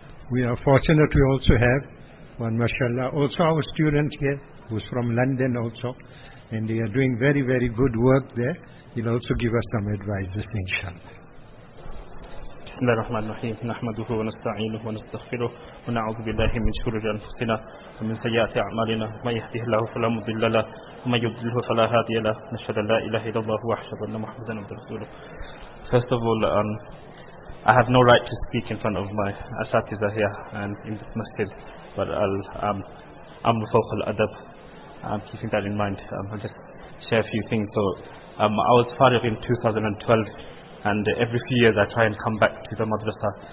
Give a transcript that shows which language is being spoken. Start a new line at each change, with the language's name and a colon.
English: We are fortunate we also have one, mashallah, also our student here who's from London also, and they are doing very, very good work there. He'll also give us some advice, inshallah.
Arabic: بسم الله الرحمن الرحيم نحمده ونستعينه ونستغفره ونعوذ بالله من شرور أنفسنا ومن سيئات أعمالنا من يهده الله فلا مضل له ومن يضلله فلا هادي له نشهد أن لا إله إلا الله وحده لا شريك له محمدا رسوله
English: First of all, I have no right to speak in front of my asatiza here and in this masjid, but I'm the folk al-adab. Keeping that in mind, I'll just share a few things. So, I was farigh in 2012, and every few years I try and come back to the madrasa.